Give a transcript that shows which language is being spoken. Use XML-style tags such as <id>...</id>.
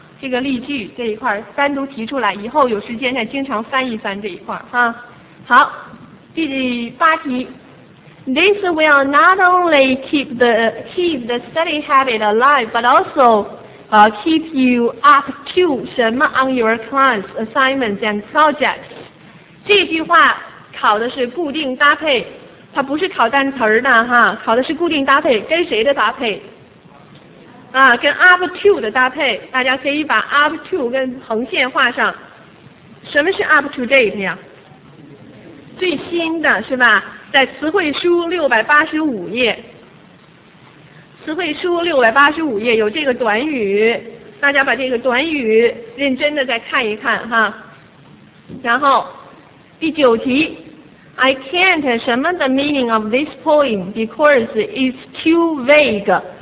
<zh>这个例句这一块单独提出来，以后有时间再经常翻一翻这一块哈。好，第八题</zh> <en>，This will not only keep the study habit alive, but also keep you up to</en> <zh>什么</zh> <en>on your class assignments and projects。</en> <zh>这句话考的是固定搭配，它不是考单词的哈，考的是固定搭配，跟谁的搭配？啊，跟 up to 的搭配，大家可以把 up to 跟横线画上。什么是</zh> <en>up to date</en> <zh>呀？最新的是吧？在词汇书685页，词汇书685页有这个短语，大家把这个短语认真的再看一看哈。然后第九题</zh> <en>，I can't</en> <zh>什么</zh> <en>the meaning of this poem because it's too vague。</en>